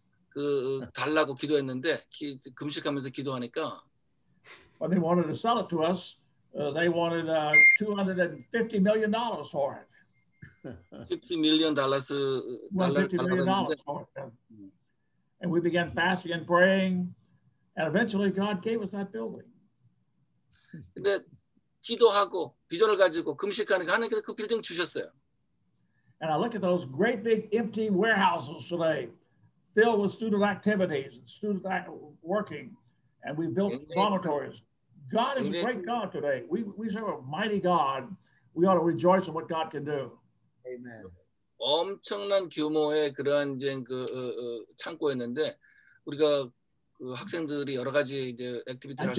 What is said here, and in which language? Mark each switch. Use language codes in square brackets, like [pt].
[ko] 그 달라고 기도했는데 금식하면서 기도하니까. [en] But they wanted to sell it to us. They wanted $250 million for it. $50 million. $250 million for it. And we began fasting and praying, and eventually God gave us that building. [ko] 근데 기도하고 비전을 가지고 금식하는 하나님께서 그 빌딩 주셨어요. [en] And I look at those great big empty warehouses today, filled with student activities and student working, and we built dormitories. God is a great God today. We serve a mighty God. We ought to rejoice in what God can do. Amen. [ko] 엄청난 규모의 그런 이제 그 창고였는데 우리가 그 학생들이 여러 가지 이제 액티비티를